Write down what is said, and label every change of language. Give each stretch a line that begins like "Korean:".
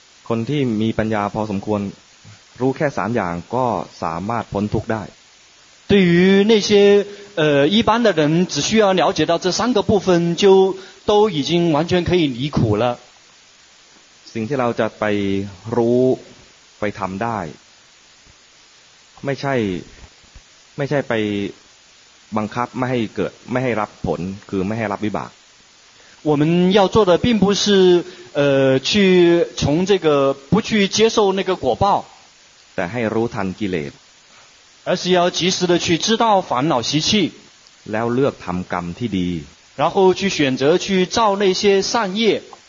Thai: คนที่มีปัญญาพอสมควรรู้แค่สามอย่างก็สามารถพ้นทุกข์ได้
Chinese: 对于那些一般的人只需要了解到这三个部分就都已经完全可以离苦了
Thai: สิ่งที่เราจะไปรู้ไปทำได้ไม่ใช่ไปบังคับไม่ให้เกิดไม่ให้รับผลคือไม่ให้รับวิบาก
Chinese: 我们要做的并不是去从这个不去接受那个果报
Thai: แต่ให้รู้ทันกิเลส
Chinese: 而是要及时的去知道烦恼习气
Thai: แล้วเลือกทำกรรมที่ดี
Chinese: 然后去选择去造那些善业